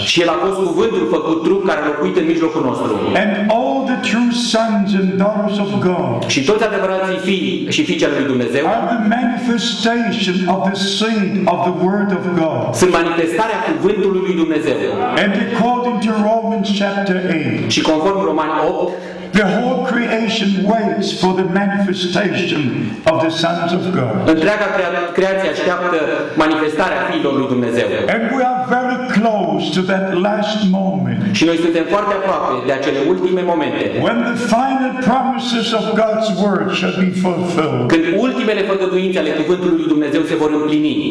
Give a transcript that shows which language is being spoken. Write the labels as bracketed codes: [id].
[ro] Și el a fost cuvântul făcut trup care a locuit în mijlocul nostru. [en] And all the true sons and daughters of God. [ro] Și toți adevărații fii și fiicele lui Dumnezeu. [en] Are the manifestation of the seed of the word of God. [ro] Sunt manifestarea cuvântului lui Dumnezeu. [en] And according to Romans chapter 8. [ro] Și conform Romani 8. [en] The whole creation waits for the manifestation of the sons of God. [ro] Întreaga creație așteaptă manifestarea fiilor lui Dumnezeu. [en] And we are very close close to that last moment. [ro] Și noi suntem foarte aproape de acele ultime momente. [en] When the final promises of God's word shall be fulfilled. [ro] Când ultimele făgăduințe ale cuvântului lui Dumnezeu se vor împlini.